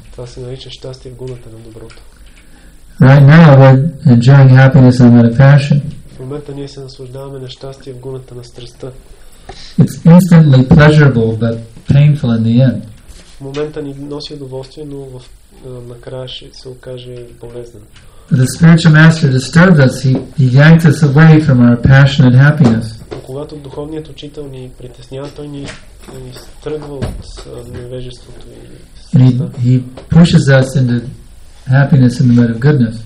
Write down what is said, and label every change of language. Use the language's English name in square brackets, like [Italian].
[Bulgarian] Това се нарича щастие в гуната на доброто. [English] Right now we're enjoying happiness in the passion. [Bulgarian] В момента ние се наслаждаваме на щастие в гуната на страстта. [English] It's instantly pleasurable but painful in the end. [Bulgarian] В момента ни носи удоволствие, но в накрая ще се окаже болезнен. [English] The spiritual master disturbed us. He yanked us away from our passionate happiness. [Bulgarian] Когато духовният учител ни притеснява, той ни изтръгва от невежеството и [English] He pushes us into happiness in the mode of goodness.